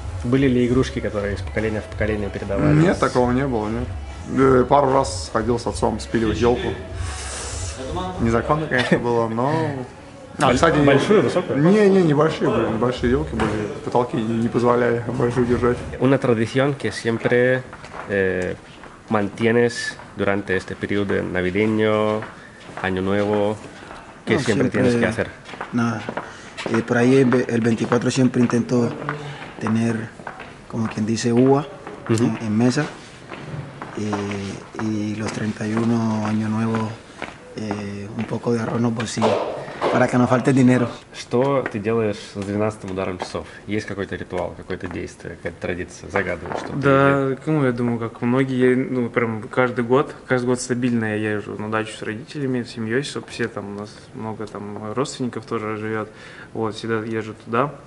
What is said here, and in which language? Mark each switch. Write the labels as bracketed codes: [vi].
[ru] Были ли игрушки, которые из поколения в поколение передавали? Нет, такого не было, нет. Пару раз ходил с отцом спиливать елку. Незаконно, конечно, было, но... кстати, большую, высокую? Небольшие были, небольшие елки были, потолки не позволяли большую держать. [es] Una tradición que siempre mantienes durante este periodo navideño, año nuevo, que siempre tienes que hacer? Nada, por ahí el 24 siempre intento tener, como quien dice, uva en mesa, y los 31, año nuevo, un poco de arroz, pues sí. Para que no falte dinero. [ru] Что ты делаешь с 12 ударом часов? Есть какой-то ритуал, какое-то действие, какая-то традиция? Загадываешь что-то? Да, ну, я думаю, как многие, я, ну, прям каждый год стабильно я езжу на дачу с родителями, с семьей, чтобы все там, у нас много там родственников тоже живет, вот, всегда езжу туда.